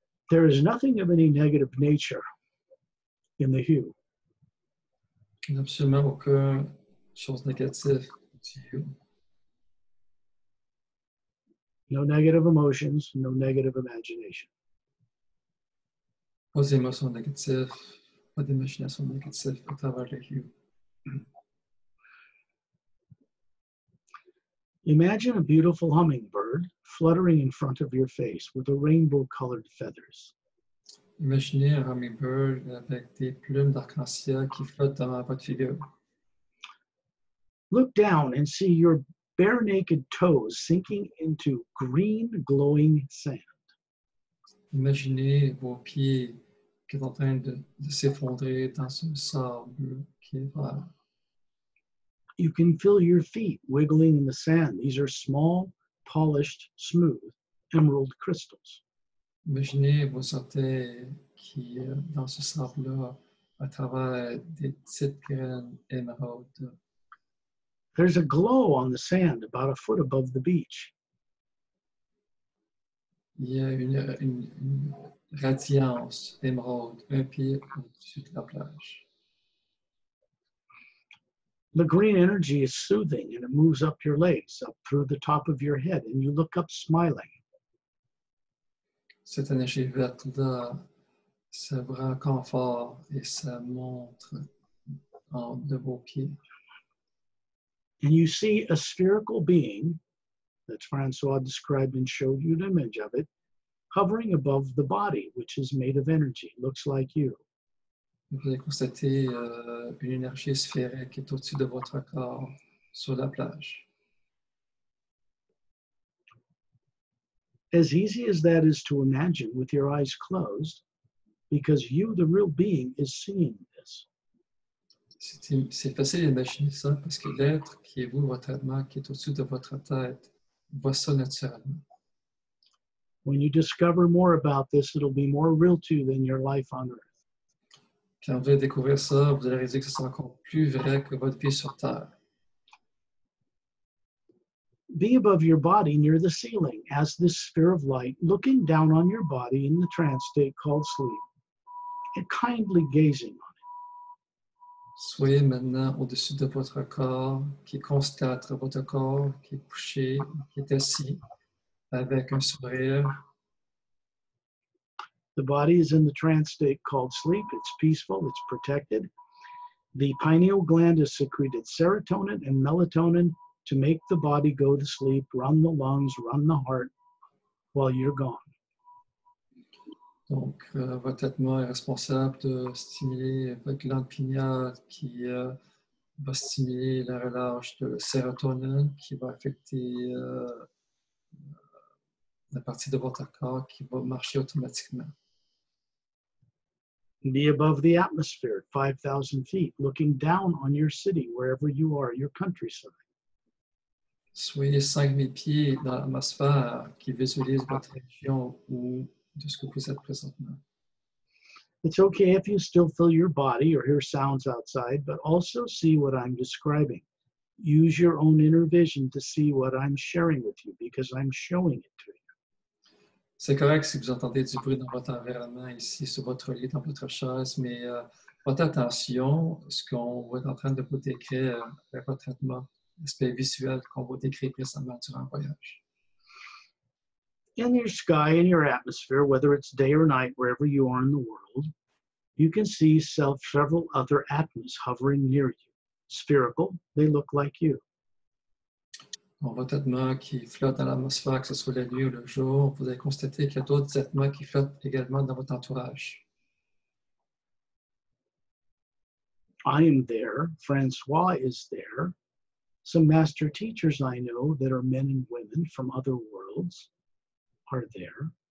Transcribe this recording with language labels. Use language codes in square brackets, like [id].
[en] there is nothing of any negative nature in the hue. [fr] Absolument aucune chose négative du hue. [en] No negative emotions, no negative imagination. [fr] Pas d'émotions négatives, pas d'imagination négative à travers le hue. [en] Imagine a beautiful hummingbird fluttering in front of your face with a rainbow-colored feathers. [fr] Imaginez un hummingbird avec des plumes d'arc-en-ciel qui flottent devant votre figure. [en] Look down and see your bare naked toes sinking into green glowing sand. [fr] Imaginez vos pieds qui sont en train de s'effondrer dans ce sable qui est vert. [en] You can feel your feet wiggling in the sand. These are small, polished, smooth, emerald crystals. [fr] Imaginez vos orteils qui, dans ce sable-là, à travers des petites graines émeraudes. [en] There's a glow on the sand about a foot above the beach. [fr] Il y a une radiance émeraude un pied au-dessus de la plage. [en] The green energy is soothing and it moves up your legs, up through the top of your head, and you look up smiling. [fr] Cette énergie verte-là, ça vous rend confort et ça montre en de vos pieds. [en] And you see a spherical being that Francois described and showed you an image of it, hovering above the body, which is made of energy, looks like you. [fr] Vous pouvez constater une énergie sphérique qui est au-dessus de votre corps sur la plage. [en] As easy as that is to imagine with your eyes closed, because you, the real being, is seeing this. [fr] C'est facile d'imaginer ça parce que l'être qui est vous, votre âme, qui est au-dessus de votre tête, voit ça naturellement. [en] When you discover more about this, it'll be more real to you than your life on earth. [fr] Quand vous allez découvrir ça, vous allez réaliser que c'est encore plus vrai que votre vie sur Terre. [en] Be above your body near the ceiling as this sphere of light looking down on your body in the trance state called sleep and kindly gazing on it. [fr] Soyez maintenant au-dessus de votre corps qui constate votre corps qui est couché, qui est assis avec un sourire. [en] The body is in the trance state called sleep. It's peaceful, it's protected. The pineal gland has secreted serotonin and melatonin to make the body go to sleep, run the lungs, run the heart while you're gone. [fr] Donc, votre Atma est responsable de stimuler votre glande pineale qui va stimuler la relâche de sérotonine qui va affecter la partie de votre corps qui va marcher automatiquement. [en] Be above the atmosphere, 5,000 feet, looking down on your city, wherever you are, your countryside. Soyez 5,000 pieds dans l'atmosphère qui visualise votre région ou de ce que vous êtes présentement. It's okay if you still feel your body or hear sounds outside, but also see what I'm describing. Use your own inner vision to see what I'm sharing with you, because I'm showing it to you. [fr] C'est correct si vous entendez du bruit dans votre environnement, ici, sur votre lit, dans votre chaise, mais votre attention, ce qu'on est en train de vous décrire avec votre traitement, l'aspect visuel qu'on vous décrit présentement durant le voyage. [en] In your sky, in your atmosphere, whether it's day or night, wherever you are in the world, you can see several other atmas hovering near you. Spherical, they look like you. [fr] Donc, votre atma qui flotte dans l'atmosphère, que ce soit la nuit ou le jour, vous allez constater qu'il y a d'autres atmas qui flottent également dans votre entourage. [en] I am there, Francois is there, some master teachers I know that are men and women from other worlds are there.